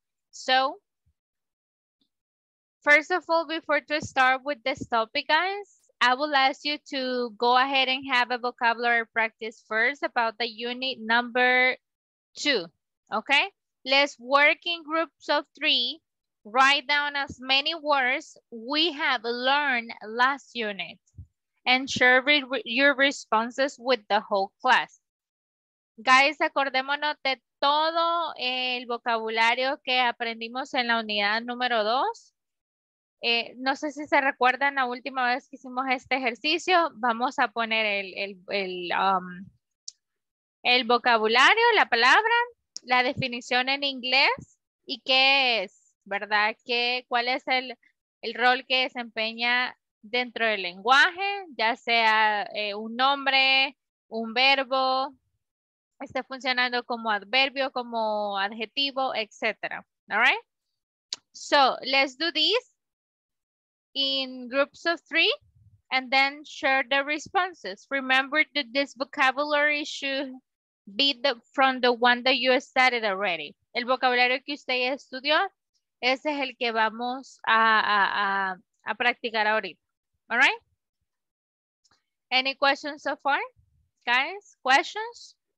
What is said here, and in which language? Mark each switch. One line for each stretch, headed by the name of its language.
English: So, first of all, before to start with this topic, guys, I will ask you to go ahead and have a vocabulary practice first about the unit number 2, okay? Let's work in groups of 3, write down as many words we have learned last unit, and share your responses with the whole class.
Spanish: Guys, acordémonos de todo el vocabulario que aprendimos en la unidad número 2. No sé si se recuerdan la última vez que hicimos este ejercicio. Vamos a poner el vocabulario, la palabra, la definición en inglés y qué es, ¿verdad? ¿Cuál es el rol que desempeña dentro del lenguaje? Ya sea un nombre, un verbo, esté funcionando como adverbio, como adjetivo, etc.
English: All right? So, let's do this in groups of 3 and then share the responses. Remember that this vocabulary should be from the one that you studied already.
Spanish: El vocabulario que usted ya estudió, ese es el que vamos a practicar ahorita.
English: All right? Any questions so far? Guys, questions?